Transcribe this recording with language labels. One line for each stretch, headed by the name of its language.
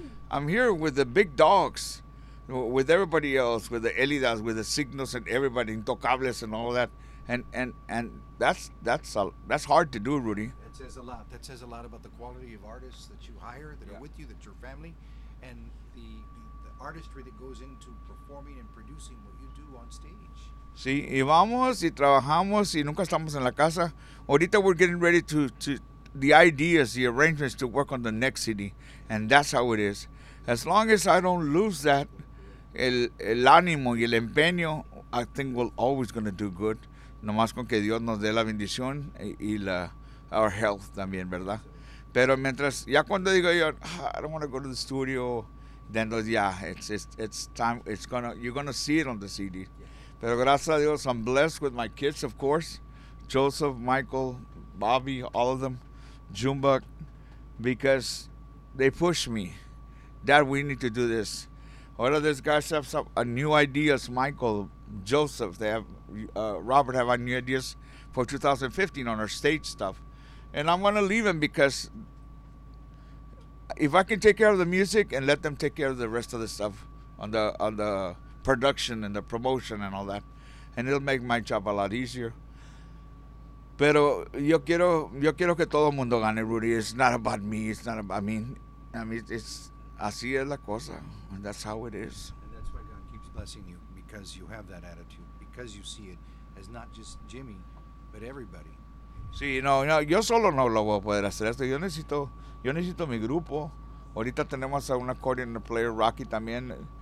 English: I'm here with the big dogs, with everybody else, with the Elidas, with the Signos and everybody, Intocables and all that. And that's hard to do, Rudy. That says a lot. That says a lot about the quality of artists that you hire, that are with you, that's your family, and the artistry that goes into performing and producing what you do on stage.
Spanish: Sí, y vamos y trabajamos y nunca estamos en la casa.
English: Ahorita we're getting ready to the ideas, the arrangements to work on the next CD, and that's how it is. As long as I don't lose that,
Spanish: el ánimo y el empeño,
English: I think we're always going to do good.
Spanish: Nomás con que Dios nos dé la bendición y
English: our health
Spanish: también, ¿verdad? Pero mientras, ya cuando digo yo,
English: I don't want to go to the studio, then it's time, you're going to see it on the CD.
Spanish: Pero gracias a Dios,
English: I'm blessed with my kids, of course. Joseph, Michael, Bobby, all of them. Jumbuck, because they push me. Dad, we need to do this. All of these guys have some new ideas. Michael, Joseph, they have, Robert have new ideas for 2015 on our stage stuff. And I'm going to leave them because if I can take care of the music and let them take care of the rest of the stuff on the production and the promotion and all that, and it'll make my job a lot easier.
Spanish: Pero yo quiero que todo el mundo gane, Rudy.
English: It's not about me. It's not about me. I mean, it's
Spanish: así es la cosa.
English: And that's how it is. And that's why God keeps blessing you, because you have that attitude, because you see it as not just Jimmy, but everybody.
Spanish: Sí, no, yo solo no lo voy a poder hacer esto. Yo necesito mi grupo. Ahorita tenemos a un
English: accordion player,
Spanish: Rocky, también.